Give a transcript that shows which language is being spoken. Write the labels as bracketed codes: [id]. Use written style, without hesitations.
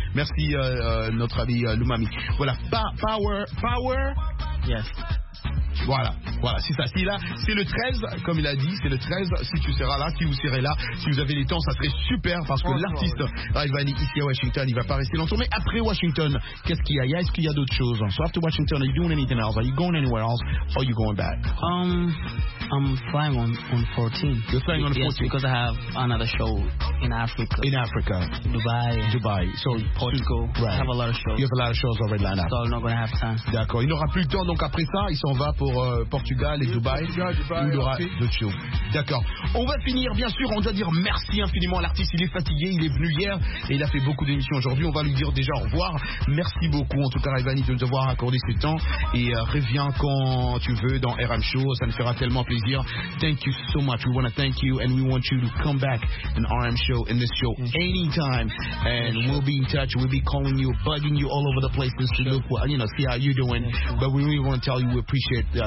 [fr] Merci, notre ami Lumami. Voilà, Power. [en] Yes. [fr] Voilà, c'est ça. C'est là, c'est le 13, comme il a dit, c'est le 13. Si tu seras là, si vous serez là, si vous avez les temps, ça serait super, parce que l'artiste Revani, ici à Washington, il va pas rester longtemps. Mais après Washington, qu'est-ce qu'il y a? Est-ce qu'il y a d'autres choses? [en] So after Washington, are you doing anything else? Are you going anywhere else? Or are you going back? I'm flying on 14. You're flying on 14? Yes, because I have another show in Africa. In Africa. Dubai. So Portugal. Right. I have a lot of shows. You have a lot of shows already lined up. So I'm not going to have time. [fr] D'accord. Il n'aura plus le temps, donc après ça, il s'en va pour Portugal et Dubaï. Dubaï, il y aura d'autres shows. D'accord. On va finir, bien sûr, on doit dire merci infiniment à l'artiste. Il est fatigué, il est venu hier et il a fait beaucoup d'émissions aujourd'hui. On va lui dire déjà au revoir. Merci beaucoup, en tout cas, Revani, de nous avoir accordé ce temps. Et reviens quand tu veux dans RM Show. Ça nous fera tellement plaisir. [en] Thank you so much. We want to thank you and we want you to come back in RM Show, in this show, anytime. And we'll be in touch. We'll be calling you, bugging you all over the place to look, you know, see how you're doing. But we really want to tell you we appreciate it.